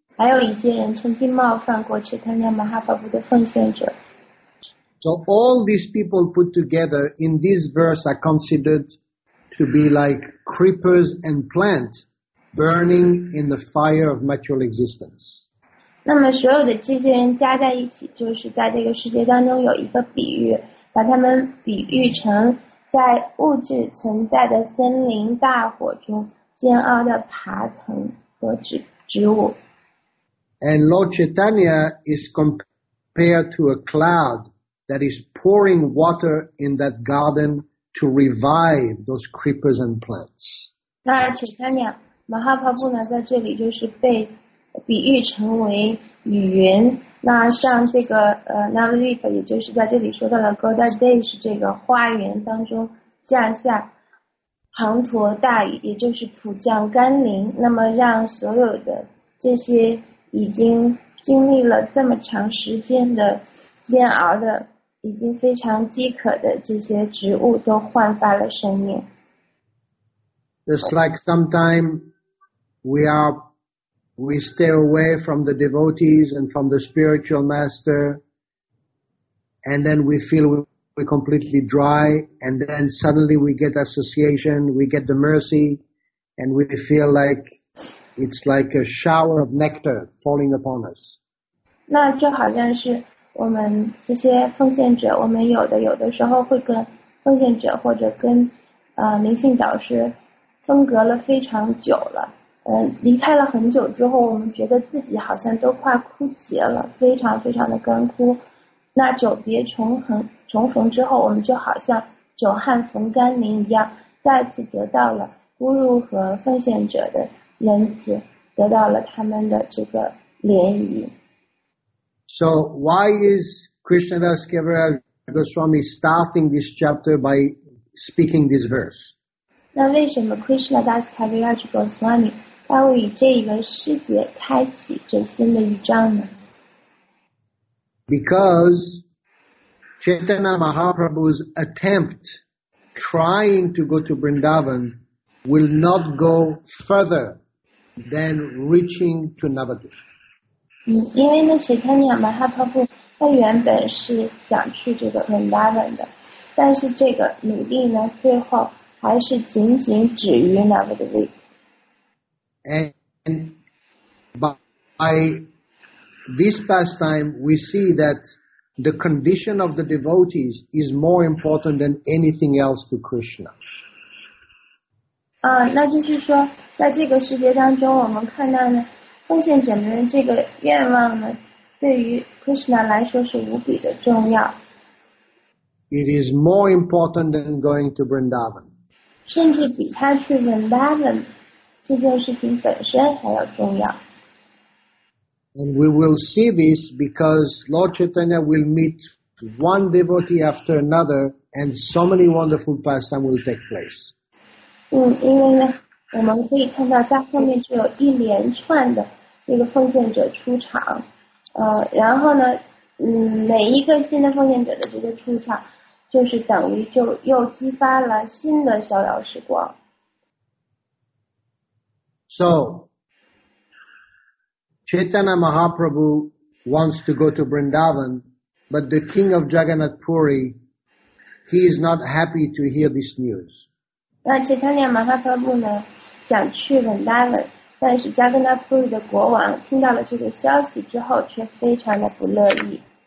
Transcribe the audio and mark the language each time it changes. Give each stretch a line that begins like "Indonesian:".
Chinese: 还有一些人曾经冒犯过 Chaitanya Mahaprabhu 的奉献者。
English: So all these people put together in this verse are considered to be like creepers and plants burning in the fire of material existence.
Chinese: 那么所有的这些人加在一起，就是在这个世界当中有一个比喻，把他们比喻成在物质存在的森林大火中煎熬的爬藤和植物。
English: And Lord Chaitanya is compared to a cloud that is pouring water in that garden to revive those creepers and plants.
Chinese: 那 Chaitanya Mahaprabhu 呢，在这里就是被比喻成为雨云。那像这个Navadvip， 也就是在这里说到的 Godadesh 这个花园当中降下滂沱大雨，也就是普降甘霖。那么让所有的这些已经经历了这么长时间的煎熬的、已经非常饥渴的这些植物都焕发了生命。
English: Just like sometime we stay away from the devotees and from the spiritual master, and then we feel we're completely dry, and then suddenly we get association, we get the mercy, and we feel like it's like a shower of nectar falling upon us.
Chinese: 那就好像是我们这些奉献者，我们有的时候会跟奉献者或者跟灵性导师分隔了非常久了。离开了很久之后，我们觉得自己好像都快枯竭了，非常非常的干枯。那久别重逢之后，我们就好像久旱逢甘霖一样，再次得到了侮辱和奉献者的恩赐，得到了他们的这个怜悯。
English: So why is Krishnadas Kaviraj Goswami starting this chapter by speaking this verse?
Chinese: 那为什么 Krishnadas Kaviraj Goswami他会以这一个诗节开启这新的一章呢？
English: Because Chaitanya Mahaprabhu's attempt trying to go to Vrindavan will not go further than reaching to Navadvip.
Chinese: 因为呢 Chaitanya Mahaprabhu 他原本是想去这个 Vrindavan 的，但是这个努力呢最后还是仅仅止于 Navadvip。
English: And by this pastime, we see that the condition of the devotees is more important than anything else to Krishna.
Chinese: 那就是说，在这个世界当中，我们看到呢，奉献者们这个愿望呢，对于 Krishna 来说是无比的重要。
English: It is more important than going to Vrindavan.
Chinese: 甚至比他去 Vrindavan。这件事情本身还要重要。
English: And we will see this because Lord Chaitanya will meet one devotee after another, and so many wonderful pastimes will take place.
Chinese: 因为呢，我们可以看到在后面就有一连串的这个奉献者出场。然后呢，每一个新的奉献者的这个出场，就是等于就又激发了新的逍遥时光。
English: So, Chaitanya Mahaprabhu wants to go to Vrindavan, but the king of Jagannath Puri, he is not happy to hear this news.
Chinese: 那 Chaitanya Mahaprabhu 呢，想去 Vrindavan， 但是 Jagannath Puri 的国王听到了这个消息之后，却非常的不乐意。